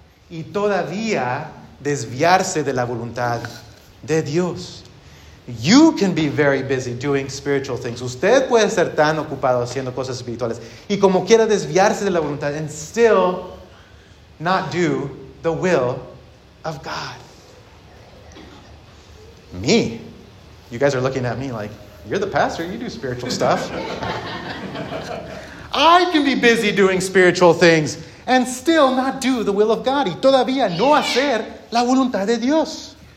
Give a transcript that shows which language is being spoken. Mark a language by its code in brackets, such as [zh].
[es] Y todavía desviarse de la voluntad de Dios. [en] You can be very busy doing spiritual things. [es] Usted puede ser tan ocupado haciendo cosas espirituales y como quiera desviarse de la voluntad [en] and still not do the will of God. [es] Me. [en] You guys are looking at me like, you're the pastor, you do spiritual stuff. I can be busy doing spiritual things and still not do the will of God. [es] Y todavía no hacer la voluntad de Dios.